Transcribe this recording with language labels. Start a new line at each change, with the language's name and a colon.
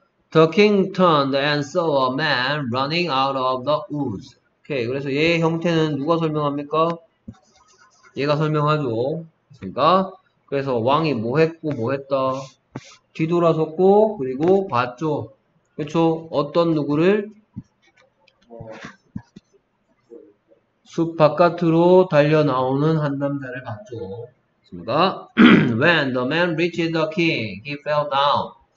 English: The king turned and saw a man running out of the woods.
Korean: 오케이 그래서 얘 형태는 누가 설명합니까? 얘가 설명하죠. 그러니까 그래서 왕이 뭐 했고 뭐 했다. 뒤돌아섰고 그리고 봤죠. 그렇죠? 어떤 누구를 숲 바깥으로 달려 나오는 한 남자를 봤죠. 그렇습니까?
English: When the man reached the king, he fell down.